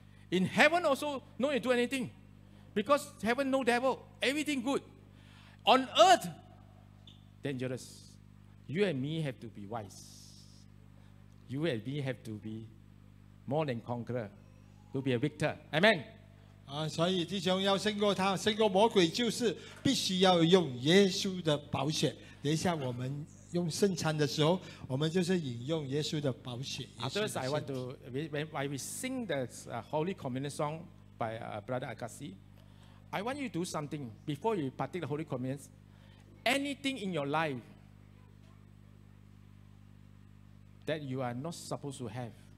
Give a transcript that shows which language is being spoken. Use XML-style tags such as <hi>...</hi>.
<en>In heaven also, no need to do anything. Because heaven, no devil. Everything good. On earth, dangerous. You and me have to be wise. You and me have to be more than conqueror. To be a victor. Amen.</en> <zh>所以弟兄要胜过他，胜过魔鬼，就是必须要用耶稣的宝血。等一下我们用圣餐的时候，我们就是引用耶稣的宝血。</zh> <en>After I want to, when we sing the Holy Communion song by Brother Agassi, I want you to do something before you partake the Holy Communion. Anything in your life that you are not supposed to have.</en>